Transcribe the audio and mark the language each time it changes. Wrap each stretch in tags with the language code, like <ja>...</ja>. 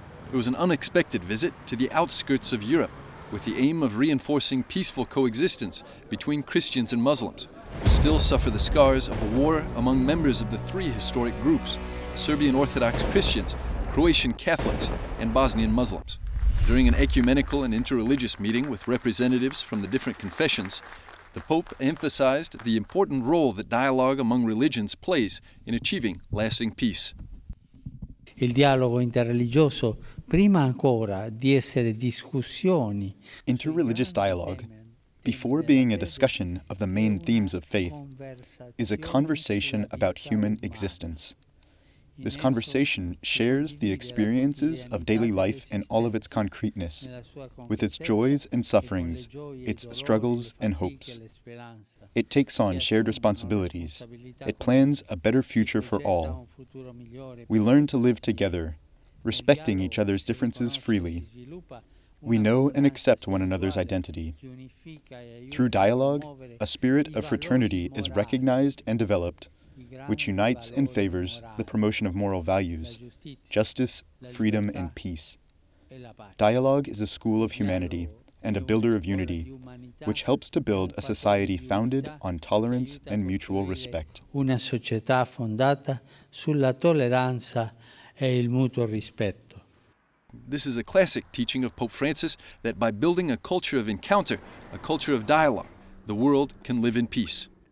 <en>It was an unexpected visit to the outskirts of Europe with the aim of reinforcing peaceful coexistence between Christians and Muslims, who still suffer the scars of a war among members of the three historic groups, Serbian Orthodox Christians, Croatian Catholics, and Bosnian Muslims. During an ecumenical and interreligious meeting with representatives from the different confessions, the Pope emphasized the important role that dialogue among religions plays in achieving lasting peace.</en> <it>Il dialogo interreligioso, prima ancora di essere discussioni.</it> <en>Interreligious dialogue, before being a discussion of the main themes of faith, is a conversation about human existence. This conversation shares the experiences of daily life in all of its concreteness, with its joys and sufferings, its struggles and hopes. It takes on shared responsibilities. It plans a better future for all. We learn to live together, respecting each other's differences freely. We know and accept one another's identity. Through dialogue, a spirit of fraternity is recognized and developed, which unites and favors the promotion of moral values, justice, freedom, and peace. Dialogue is a school of humanity and a builder of unity, which helps to build a society founded on tolerance and mutual respect.</en> <it>Una società fondata sulla tolleranza e il mutuo rispetto.</it> <en>This is a classic teaching of Pope Francis that by building a culture of encounter, a culture of dialogue, the world can live in peace.</en>